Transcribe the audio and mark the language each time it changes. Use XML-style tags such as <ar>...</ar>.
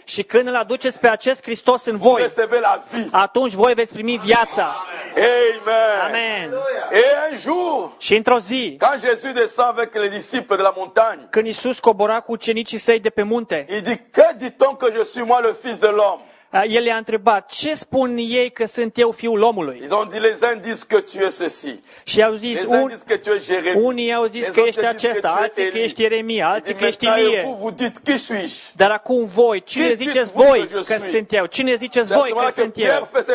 <ro>și când îl aduceți pe acest Hristos în voi,</ro> <fr>vous recevez la vie.</fr> <ro>Atunci voi veți primi viața. Amen. Amen.</ro> <fr>Et un jour,</fr> <ro>și într-o zi,</ro> <fr>quand Jésus descend avec les disciples de la montagne,</fr> <ro>când Iisus cobora cu ucenicii săi de pe munte,</ro> <fr>il dit, que dit-on que je suis moi le fils de l'homme?</fr> <ro>El i-a întrebat, ce spun ei că sunt eu fiul omului?</ro> <fr>Ils ont dit, les uns disent que tu es ceci.</fr> <ro>Și au zis, unii au zis că ești acesta, alții că ești Ieremia, alții că ești Ilie. Dar acum voi, cine ziceți voi că sunt eu? Cine ziceți voi că sunt eu?</ro>